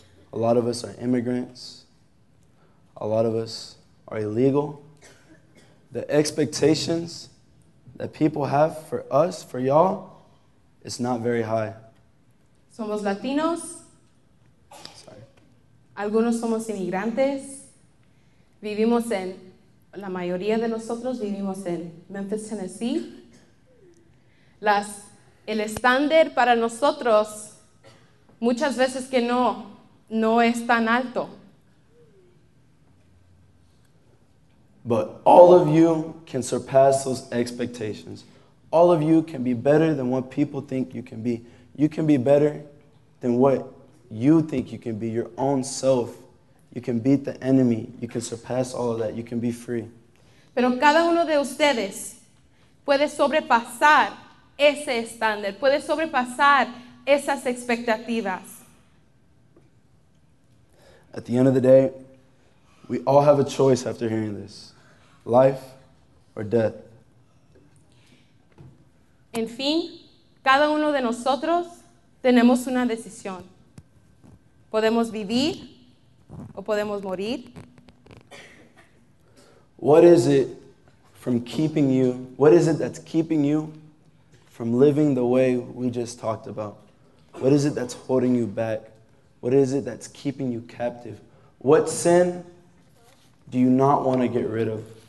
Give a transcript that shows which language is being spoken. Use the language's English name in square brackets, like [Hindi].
[English] A lot of us are immigrants. A lot of us are illegal. The expectations that people have for us, for y'all, is not very high. [Spanish] Somos Latinos. [English] Sorry. [Spanish] Algunos somos inmigrantes. La mayoría de nosotros vivimos en Memphis, Tennessee. El estándar para nosotros muchas veces que no es tan alto. [English] But all of you can surpass those expectations. All of you can be better than what people think you can be. You can be better than what you think you can be, your own self. You can beat the enemy. You can surpass all of that. You can be free. [Spanish] Pero cada uno de ustedes puede sobrepasar ese estándar, puede sobrepasar esas expectativas. [English] At the end of the day, we all have a choice after hearing this. Life or death. [Spanish] En fin, cada uno de nosotros tenemos una decisión. Podemos vivir o podemos morir. [English] What is it from keeping you? What is it that's keeping you from living the way we just talked about? What is it that's holding you back? What is it that's keeping you captive? What sin do you not want to get rid of?